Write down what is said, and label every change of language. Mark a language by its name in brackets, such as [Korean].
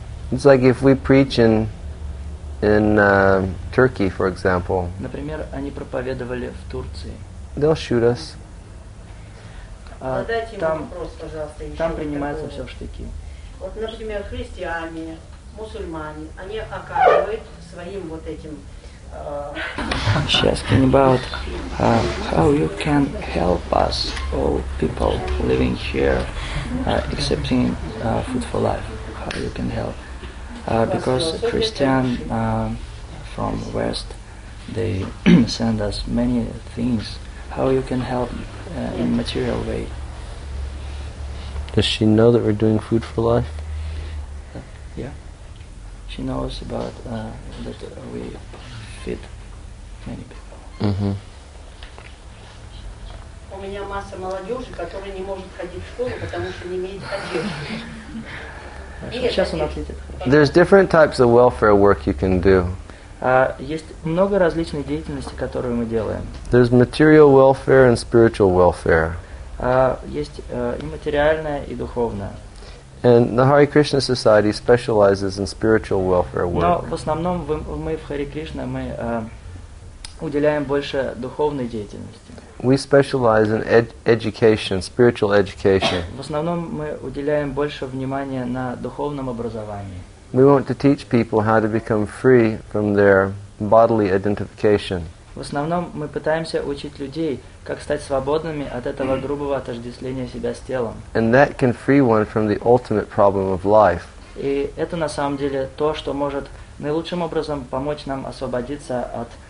[English] It's like if we preach in Turkey, for example. [Russian] Например, они проповедовали в Турции. [English] They'll shoot us. [Russian] Задайте вопрос, пожалуйста, еще. Там принимаются все в штыки. Вот, например, христиане, мусульмане, они оказывают своим вот этим. [English] She's asking about how you can help us, all people living here, accepting food for life. How you can help? Because Christian from West, they send us many things. How you can help in material way? Does she know that we're doing Food for Life? Yeah. She knows about that we feed many people. Mm-hmm. [Russian] У меня масса молодежи, которая не может ходить в школу, потому что не имеет одежды. Сейчас он ответит. [English] There's different types of welfare work you can do. [Russian] Есть много различных деятельностей, которые мы делаем. [English] There's material welfare and spiritual welfare. [Russian] Есть и материальное, и духовное. [English] And the Hare Krishna Society specializes in spiritual welfare work. [Russian] Но в основном мы в Hare Krishna мы уделяем больше духовной деятельности. [English] We specialize in education, spiritual education. [Russian] В основном мы уделяем больше внимания на духовном образовании. [English] We want to teach people how to become free from their bodily identification. [Russian] В основном мы пытаемся учить людей, как стать свободными от этого грубого отождествления себя с телом. [English] And that can free one from the ultimate problem of life. [Russian] И это на самом деле то, что может наилучшим образом помочь нам освободиться от